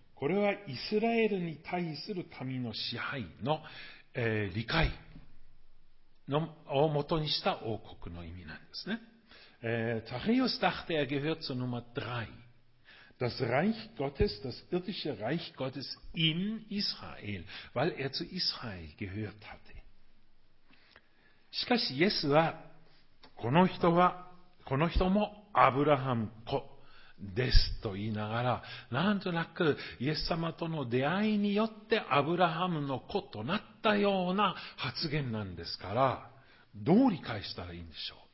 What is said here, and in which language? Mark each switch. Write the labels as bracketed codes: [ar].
[ja] これはイスラエルに対する神の支配の、理解のをもとにした王国の意味なんですね。 [de] タチオス dachte, er gehört zur Nummer 3. Das Reich Gottes, das irdische Reich Gottes in Israel, weil er zu Israel gehört hatte. [ja] しかし、イエスは、この人もアブラハム子ですと言いながら、なんとなくイエス様との出会いによってアブラハムの子となったような発言なんですから、どう理解したらいいんでしょう。